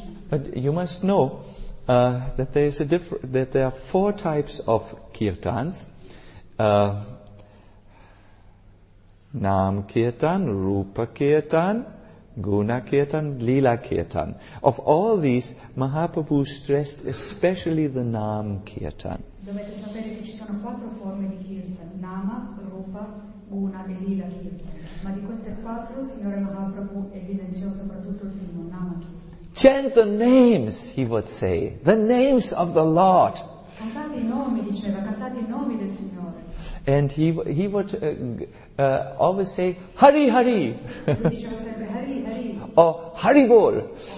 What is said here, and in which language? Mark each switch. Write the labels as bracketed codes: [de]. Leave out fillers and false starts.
[en] But you must know that there is a that there are four types of kirtans. Naam kirtan, Rupa kirtan, Guna kirtan, Lila kirtan. Of all these, Mahaprabhu stressed especially the Naam kirtan. [it] Dovete sapere che ci sono quattro forme di kirtan: Nama, Rupa, Guna e Lila kirtan. Ma di queste quattro, Signore Mahaprabhu evidenziò soprattutto il primo, Nama kirtan. [en] Chant the names, he would say, the names of the Lord. [it] Cantate i nomi, diceva, cantate i nomi del Signore. [en] And he would always say Hari Hari, or Hari Bol.